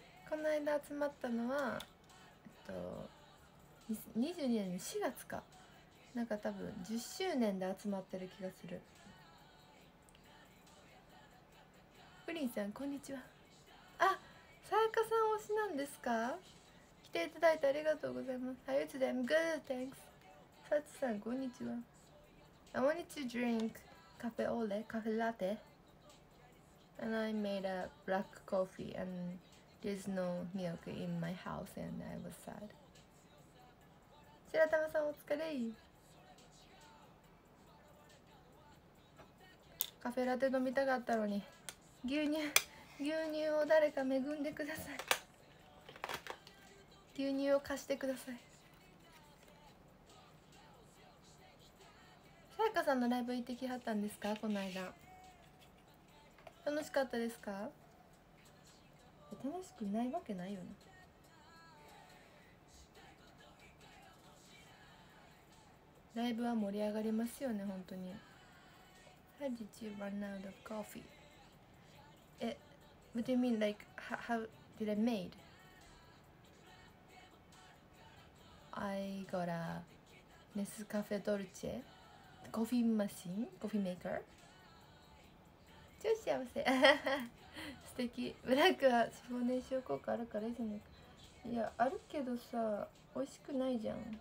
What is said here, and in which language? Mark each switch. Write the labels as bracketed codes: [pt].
[ja] この間集まったのは22年の4月か、なんか多分10周年で集まってる気がする。プリンさんこんにちは。あ、さやかさん推しなんですか？来ていただいてありがとうございます。 [en] How you today? I'm good, thanks。 [ja] サチさんこんにちは。 [en] I wanted to drink カフェオーレ、カフェラテ and I made a black coffee and there's no milk in my house and I was sad。 [ja] 白玉さんお疲れ。カフェラテ飲みたかったのに、牛乳を誰か恵んでください。牛乳を貸してください。さやかさんのライブ行ってきはったんですか？この間楽しかったですか？楽しくないわけないよね。ライブは盛り上がりますよね、本当に。 [en] How did you run out of coffee? What do you mean like how did I made? I got a Nescafe Dolce [ja] コーヒーマシン、コーヒーメーカー、超幸せ素敵。ブラックはシフォーネーション効果あるからいいじゃない。いやあるけどさ、美味しくないじゃん。